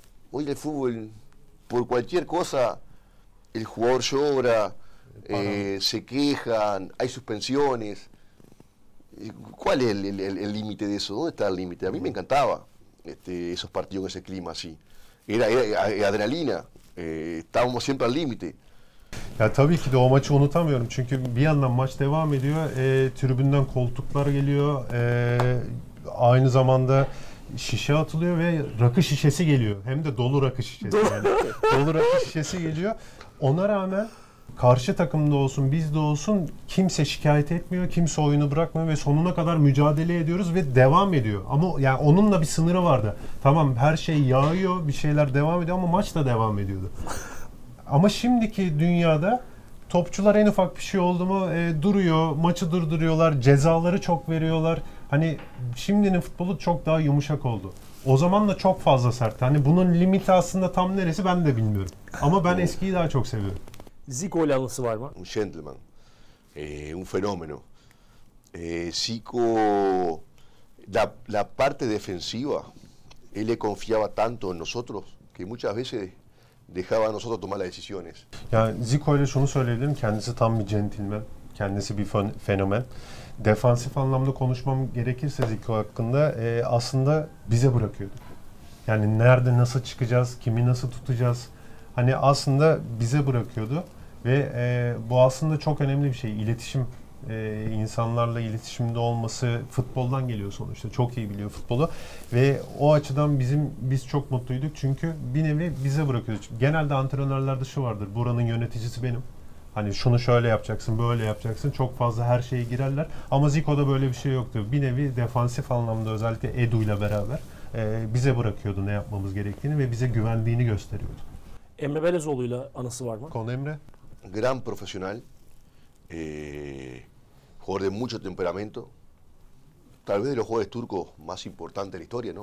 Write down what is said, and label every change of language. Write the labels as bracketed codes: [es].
[es] Hoy el fútbol, por cualquier cosa, el jugador llora, se quejan, hay suspensiones. ¿Cuál es el límite de eso? ¿Dónde está el límite? A mí me encantaba esos partidos en ese clima así. Era adrenalina. Estábamos siempre al límite. [tr] Ya tabii ki de o maçı unutamıyorum. Çünkü bir yandan maç devam ediyor. Tribünden koltuklar geliyor. Aynı zamanda şişe atılıyor ve rakı şişesi geliyor. Hem de dolu rakı şişesi. Yani. Dolu rakı şişesi geliyor. Ona rağmen karşı takımda olsun, bizde olsun, kimse şikayet etmiyor, kimse oyunu bırakmıyor ve sonuna kadar mücadele ediyoruz ve devam ediyor. Ama yani onunla bir sınırı vardı. Tamam, her şey yağıyor, bir şeyler devam ediyor ama maç da devam ediyordu. Ama şimdiki dünyada topçular en ufak bir şey oldu mu duruyor, maçı durduruyorlar, cezaları çok veriyorlar. Hani şimdinin futbolu çok daha yumuşak oldu. O zaman da çok fazla sert. Hani bunun limiti aslında tam neresi ben de bilmiyorum. Ama ben eskiyi daha çok seviyorum. Zico ile anısı var mı? [es] Un gentleman. Un fenómeno. Zico, la parte defensiva, él le confiaba tanto en nosotros que muchas veces dejaba a nosotros tomar las decisiones. [tr] Yani Zico ile şunu söyleyebilirim, kendisi tam bir gentleman, kendisi bir fenomen. Defansif anlamda konuşmam gerekirse Zico hakkında aslında bize bırakıyordu. Yani nerede nasıl çıkacağız, kimi nasıl tutacağız, hani aslında bize bırakıyordu. Ve bu aslında çok önemli bir şey. İletişim, insanlarla iletişimde olması futboldan geliyor sonuçta. Çok iyi biliyor futbolu. Ve o açıdan biz çok mutluyduk. Çünkü bir nevi bize bırakıyoruz. Genelde antrenörlerde şu vardır. Buranın yöneticisi benim. Hani şunu şöyle yapacaksın, böyle yapacaksın. Çok fazla her şeye girerler. Ama Zico'da böyle bir şey yoktu. Bir nevi defansif anlamda özellikle Edu'yla beraber bize bırakıyordu ne yapmamız gerektiğini ve bize güvendiğini gösteriyordu. Emre Belezoğlu'yla anısı var mı? Konu Emre. [es] Gran profesional, jugador de mucho temperamento, tal vez de los jugadores turcos más importantes de la historia, ¿no?